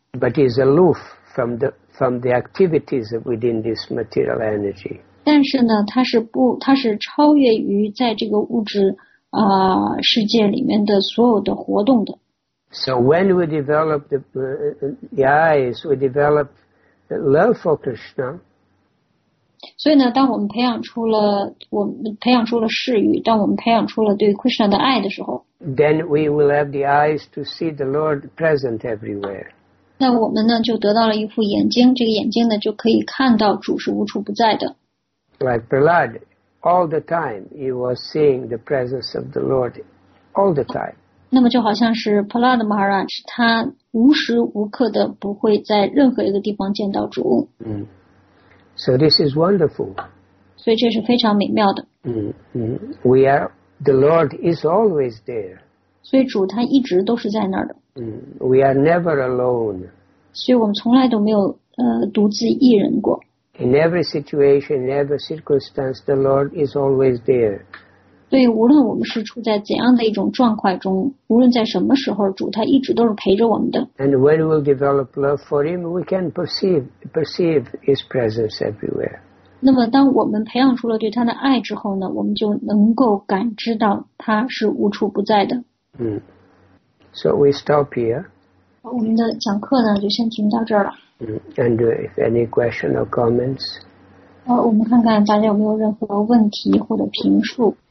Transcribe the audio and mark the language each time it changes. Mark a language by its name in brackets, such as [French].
[English] But is aloof from the activities within this material energy. [Chinese] 但是呢，他是超越于在这个物质世界里面的所有的活动的。 [English] So when we develop the eyes, we develop love for Krishna. [Chinese] 所以呢，当我们培养出了视欲，当我们培养出了对 Krishna 的爱的时候 [English] ，then we will have the eyes to see the Lord present everywhere. [Chinese] 那我们呢，就得到了一副眼睛，这个眼睛呢，就可以看到主是无处不在的。 [English] Like Prahlad, all the time he was seeing the presence of the Lord, all the time. [Chinese] 那么就好像是 Prahlad Maharaj, 他无时无刻的不会在任何一个地方见到主。 [English] So this is wonderful. [Chinese] 所以这是非常美妙的。 [English] The Lord is always there. [Chinese] 所以主他一直都是在那儿的。 [English] We are never alone. [Chinese] 所以我们从来都没有独自一人过。 [English] In every situation, in every circumstance, the Lord is always there. [Chinese] 对，无论我们是处在怎样的一种状况中，无论在什么时候，主他一直都是陪着我们的。 [English] And when we develop love for him, we can perceive his presence everywhere. [Chinese] 那么，当我们培养出了对他的爱之后呢，我们就能够感知到他是无处不在的。 [English] So we stop here. [Chinese] 我们的讲课呢，就先停到这儿了。 [English] And if any question or comments. [Chinese] 我们看看大家有没有任何问题或者评述。